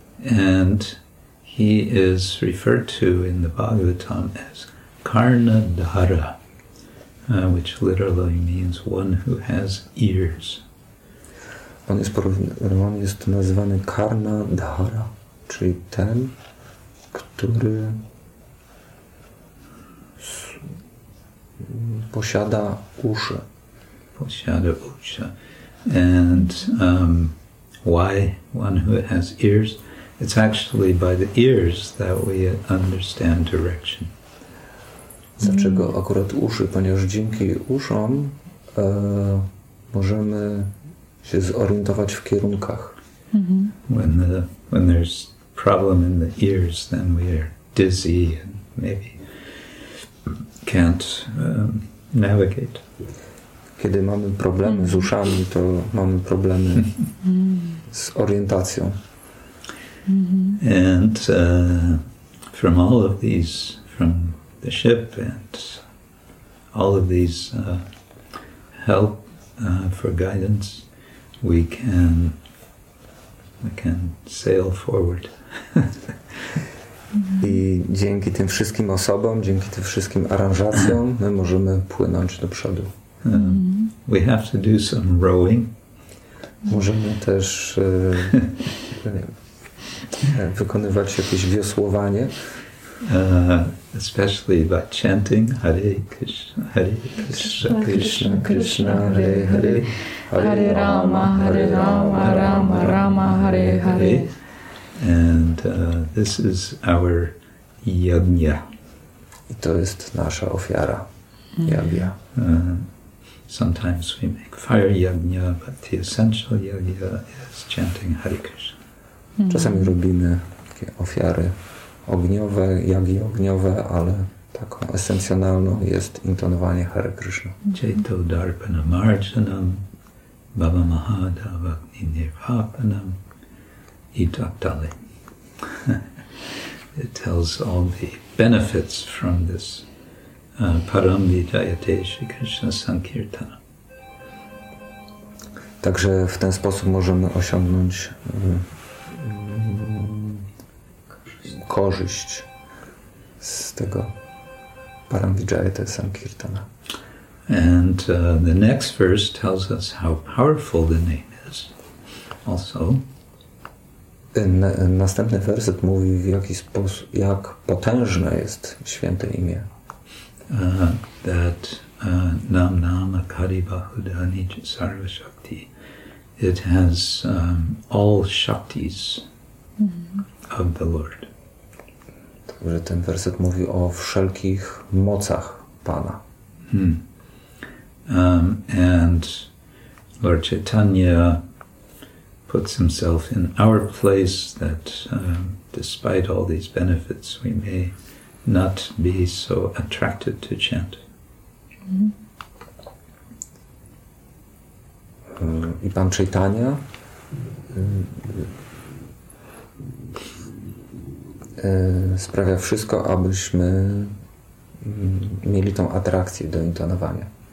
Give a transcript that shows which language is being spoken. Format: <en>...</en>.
<en>And he is referred to in the Bhagavatam as Karna Dhara, which literally means one who has ears.</en> <pl>On jest nazywany Karna Dhara, czyli ten, który posiada uszy. Posiada uszy.</pl> <en>And why one who has ears? It's actually by the ears that we understand direction.</en> <pl>Dlaczego akurat uszy? Ponieważ dzięki uszom możemy się zorientować w kierunkach. Mm-hmm.</pl> <en>When there's problem in the ears, then we are dizzy and maybe can't navigate.</en> <pl>Kiedy mamy problemy z uszami, to mamy problemy z orientacją. Mm-hmm.</pl> <en>And from all of these, from the ship and all of these help for guidance, we can sail forward.</en> <pl>I dzięki tym wszystkim osobom, dzięki tym wszystkim aranżacjom, my możemy płynąć do przodu.</pl> <en>We have to do some rowing.</en> <pl>Możemy też wykonywać jakieś wiosłowanie.</pl> <en>Especially by chanting Hare Krishna, Hare Krishna, Krishna Krishna, Hare Hare,</en> <sa>Hare Rama, Hare Rama, Rama Rama, Hare Hare.</sa> <en>And this is our yajna.</en> <pl>I to jest nasza ofiara, yajna.</pl> <en>Sometimes we make fire yajna, but the essential yajna is chanting Hare Krishna.</en> <pl>Czasami robimy takie ofiary ogniowe, jagi ogniowe, ale taką esencjonalną jest intonowanie Hare Krishna.</pl> <sa>Jeto darpana marjanam, baba mahada vagni nirvapanam,</sa> <pl>i tak dalej.</pl> <en>It tells all the benefits from this param vidyate Shri Krishna sankirtana.</en> <pl>Także w ten sposób możemy osiągnąć korzyść z tego Paramvijayate Sankirtana.</pl> <en>And the next verse tells us how powerful the name is. Also,</en> <pl>Następny werset mówi, w jaki sposób, jak potężne jest święte imię.</pl> <sa>That nam nam akari bahudani sarva shakti.</sa> <en>It has all shaktis of the Lord.</en> <pl>Że ten werset mówi o wszelkich mocach Pana.</pl> <en>And Lord Chaitanya puts himself in our place that despite all these benefits we may not be so attracted to chant.</en> <pl>I Pan Chaitanya sprawia wszystko, abyśmy mieli tą atrakcję do intonowania.</pl>